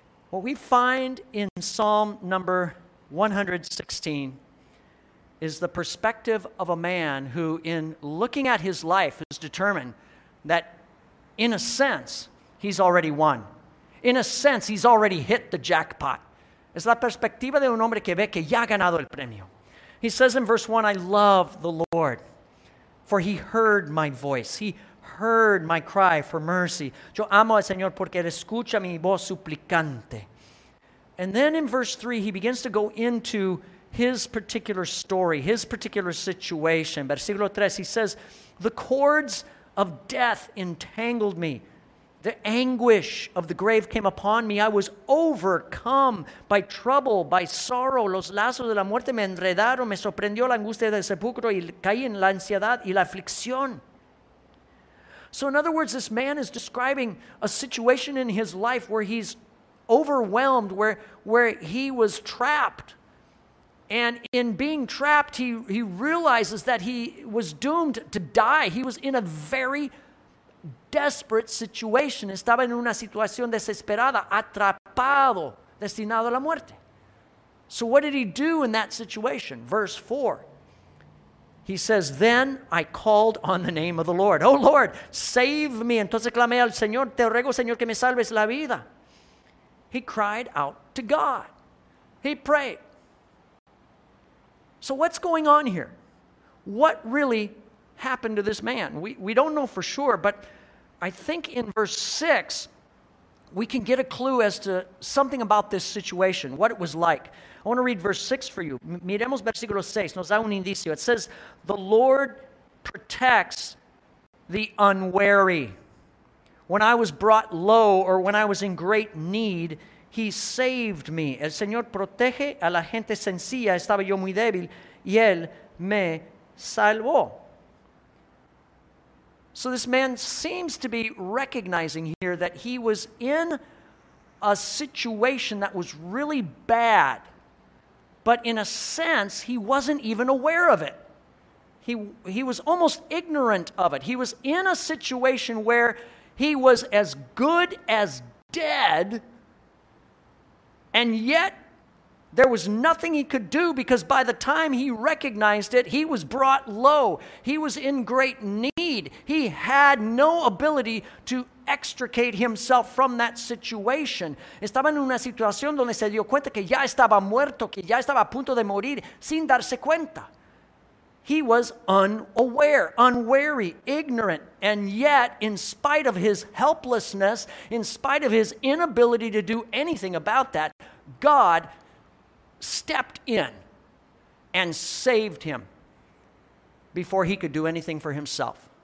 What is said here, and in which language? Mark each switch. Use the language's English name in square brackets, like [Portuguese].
[English] What we find in Psalm number 116 is the perspective of a man who, in looking at his life, has determined that, in a sense, he's already won. In a sense, he's already hit the jackpot. [Spanish] Es la perspectiva de un hombre que ve que ya ha ganado el premio. [English] He says in verse 1, I love the Lord, for he heard my voice. He heard my cry for mercy. [Spanish] Yo amo al Señor porque él escucha mi voz suplicante. [English] And then in verse 3, he begins to go into his particular story, his particular situation. Versículo 3, he says, the cords of death entangled me. The anguish of the grave came upon me. I was overcome by trouble, by sorrow. [Spanish] Los lazos de la muerte me enredaron. Me sorprendió la angustia del sepulcro y caí en la ansiedad y la aflicción. [English] So in other words, this man is describing a situation in his life where he's overwhelmed, where he was trapped. And in being trapped, he realizes that he was doomed to die. He was in a very desperate situation. [Spanish] Estaba en una situación desesperada, atrapado, destinado a la muerte. [English] So what did he do in that situation? Verse 4. He says, then I called on the name of the Lord. Oh, Lord, save me. [Spanish] Entonces clamé al Señor. Te ruego, Señor, que me salves la vida. [English] He cried out to God. He prayed. So what's going on here? What really happened to this man? We don't know for sure, but I think in verse 6, we can get a clue as to something about this situation, what it was like. I want to read verse 6 for you. [Spanish] Miremos versículo 6. Nos da un indicio. [English] It says, the Lord protects the unwary. When I was brought low or when I was in great need, he saved me. [Spanish] El Señor protege a la gente sencilla. Estaba yo muy débil y él me salvó. [English] So this man seems to be recognizing here that he was in a situation that was really bad, but in a sense, he wasn't even aware of it. He was almost ignorant of it. He was in a situation where he was as good as dead, and yet there was nothing he could do because by the time he recognized it, he was brought low. He was in great need. He had no ability to extricate himself from that situation. [Spanish] Estaba en una situación donde se dio cuenta que ya estaba muerto, que ya estaba a punto de morir sin darse cuenta. [English] He was unaware, unwary, ignorant, and yet in spite of his helplessness, in spite of his inability to do anything about that, God stepped in and saved him before he could do anything for himself.